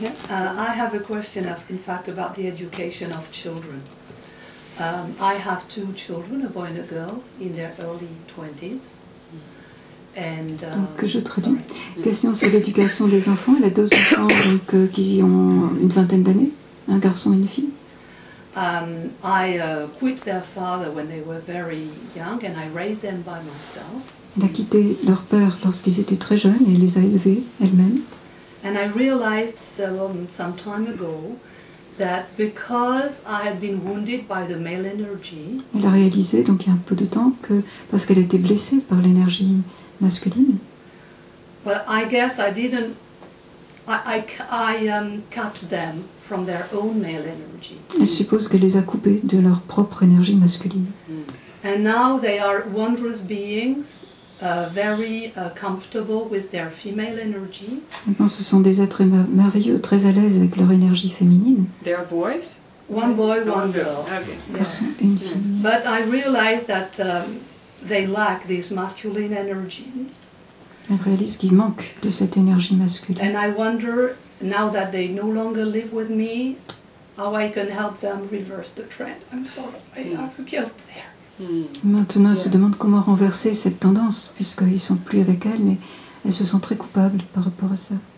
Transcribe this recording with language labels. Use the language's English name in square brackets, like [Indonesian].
[English] I have a question about the education of children. I have two children, a boy and a girl, in their early 20s. [French] Donc, que je traduis. Question sur l'éducation des enfants. Il a deux enfants donc, qui ont une vingtaine d'années, un garçon et une fille. [English] I quit their father when they were very young and I raised them by myself. [French] Elle a quitté leur père lorsqu'ils étaient très jeunes et les a élevés elle-même. [English] And I realized some time ago that because I had been wounded by the male energy. [French] Elle a réalisé donc il y a un peu de temps que parce qu'elle était blessée par l'énergie masculine. [English] Well, I guess I didn't. I cut them from their own male energy. [French] Elle suppose qu'elle les a coupés de leur propre énergie masculine. [English] And now they are wondrous beings. Very comfortable with their female energy. [French] Maintenant, ce sont des êtres merveilleux, très à l'aise avec leur énergie féminine. [English] They are boys. One boy, one girl. Okay. But I realize that they lack this masculine energy. [French] Elle réalise qu'il manque de cette énergie masculine. [English] And I wonder now that they no longer live with me, how I can help them reverse the trend. I'm sorry, I have a guilt there. [French] Maintenant, elle se demande comment renverser cette tendance, puisqu'ils ne sont plus avec elle, mais elle se sent très coupable par rapport à ça.